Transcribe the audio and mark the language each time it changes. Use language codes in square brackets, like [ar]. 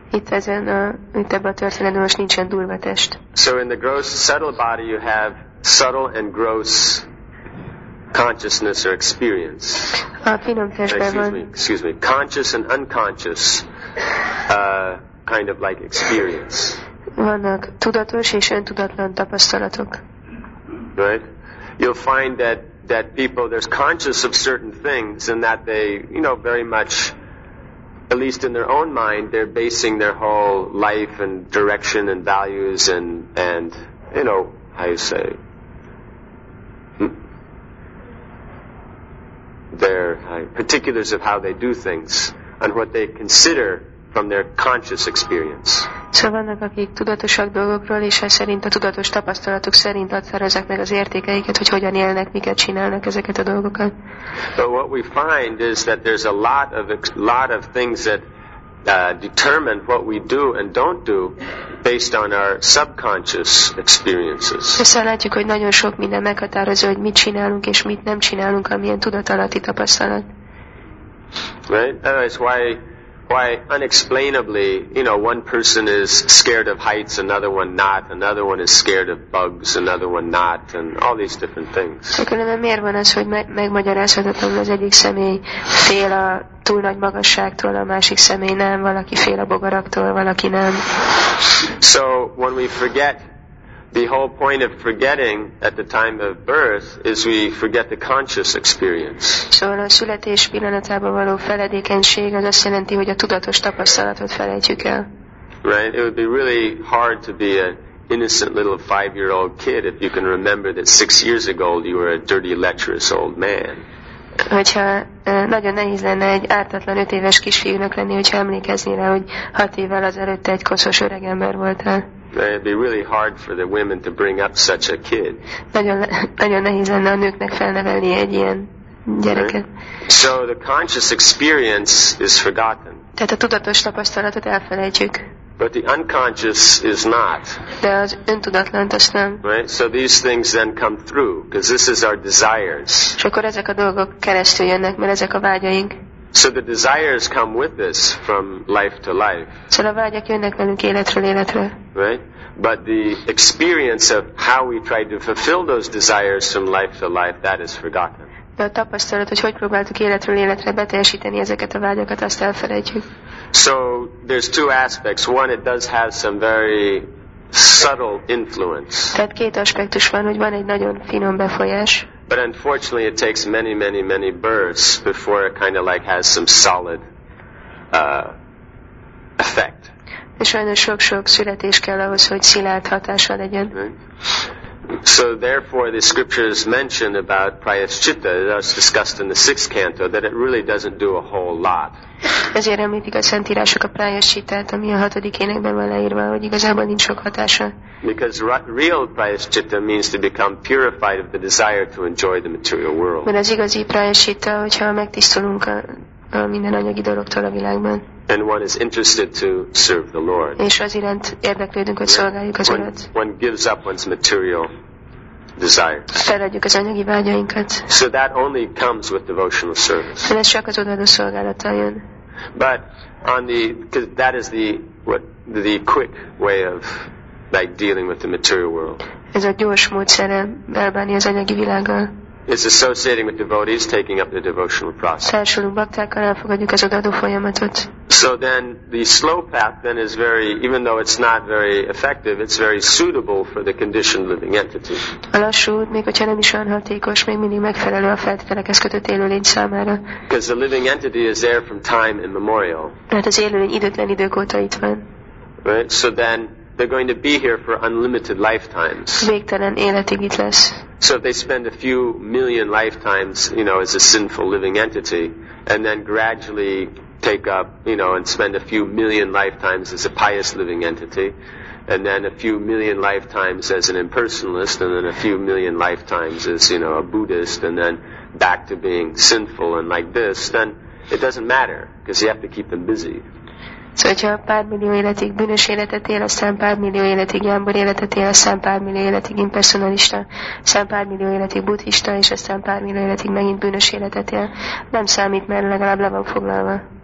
[hu] Itt ebben a történetben most nincsen durva test. [en] So in the gross, subtle body, you have subtle and gross consciousness or experience. [hu] A finom testben van. [en] Excuse me. Conscious and unconscious, kind of like experience. [hu] Vannak tudatos és öntudatlan tapasztalatok. [en] Right? You'll find that people, there's conscious of certain things and that they, you know, very much, at least in their own mind, they're basing their whole life and direction and values and you know, how you say, their particulars of how they do things and what they consider from their conscious experience. [hu] Szóval vannak, akik tudatosak dolgokról, és ez szerint a tudatos tapasztalatok szerint határozzák meg az értékeiket, hogy hogyan élnek, miket csinálnak ezeket a dolgokat. [en] But what we find is that there's a lot of things that determine what we do and don't do based on our subconscious experiences. [hu] Viszont látjuk, hogy nagyon sok minden meghatározza, hogy mit csinálunk és mit nem csinálunk, amilyen tudatalatti tapasztalat. [en] Right? That's why unexplainably, you know, one person is scared of heights, another one not, another one is scared of bugs, another one not, and all these different things. [hu] Különben miért van az, hogy megmagyarázhatatlan, az egyik személy fél a túl nagy magasságtól, a másik személy nem, valaki fél a bogaraktól, valaki nem. [en] So when we forget, the whole point of forgetting at the time of birth is we forget the conscious experience. [hu] Szóval a születés pillanatában való feledékenység az azt jelenti, hogy a tudatos tapasztalatot felejtjük el. [en] Right? It would be really hard to be an innocent little 5-year-old kid if you can remember that 6 years ago you were a dirty, lecherous old man. [hu] Hogyha nagyon nehéz lenne egy ártatlan 5 éves kisfiúnak lenni, hogyha emlékezni rá, hogy 6 évvel azelőtt egy koszos öreg ember voltál. [en] It'd be really hard for the women to bring up such a kid. [hu] Nagyon nehéz lenne a nőknek felnevelni egy ilyen gyereket. [en] So the conscious experience is forgotten. [hu] Tehát a tudatos tapasztalatot elfelejtjük. [en] But the unconscious is not. [hu] De az öntudatlan azt nem. [en] Right? So these things then come through because this is our desires. [hu] És akkor ezek a dolgok keresztül jönnek, mert ezek a vágyaink. [en] So the desires come with us from life to life. [hu] Szóval a vágyak jönnek velünk életről életre. [en] Right? But the experience of how we try to fulfill those desires from life to life, that is forgotten. [hu] De a tapasztalat, hogy próbáltuk életről életre beteljesíteni ezeket a vágyakat, azt elfelejtjük. [en] So there's two aspects. One, it does have some very subtle influence. [hu] Tehát két aspektus van, hogy van egy nagyon finom befolyás. [en] But unfortunately, it takes many, many, many births before it kind of like has some solid effect. [hu] És sajnos sok-sok születés kell ahhoz, hogy szilárd hatása legyen. [en] So therefore the scriptures mention about prayaschitta that was discussed in the 6th canto that it really doesn't do a whole lot. [hu] Ezért említik a szentírások a prayaschittát, ami a 6. énekben van leírva, hogy igazából nincs sok hatása. [en] Because real prayaschitta means to become purified of the desire to enjoy the material world. [hu] Mert az igazi prayaschitta, hogyha megtisztulunk a minden anyagi dologtól a világban. [en] And one is interested to serve the Lord. [hu] És az iránt érdeklődünk, hogy szolgáljuk az Urat. [en] One gives up one's material desires. [hu] Feladjuk az anyagi vágyainkat. [en] So that only comes with devotional service. [hu] De ez csak az odaadó szolgálattal jön. [en] But on the, because that is the what the quick way of like dealing with the material world. [hu] Ez a gyors módszere elbánni az anyagi világgal. [en] It's associating with devotees, taking up the devotional process. So then the slow path then is very, even though it's not very effective, it's very suitable for the conditioned living entity. Because the living entity is there from time immemorial. Right? So then they're going to be here for unlimited lifetimes. [hu] Végtelen életig itt lesz. [en] So if they spend a few million lifetimes, you know, as a sinful living entity, and then gradually take up, you know, and spend a few million lifetimes as a pious living entity, and then a few million lifetimes as an impersonalist, and then a few million lifetimes as, you know, a Buddhist, and then back to being sinful and like this, then it doesn't matter, because you have to keep them busy. [hu] Szóval, pár millió életig bűnös életet él, aztán pár millió életig jámbor életet él, aztán pár millió életig impersonalista, aztán pár millió életig buddhista, és aztán pár millió életig megint bűnös életet él. Nem számít, mert legalább le van foglalva.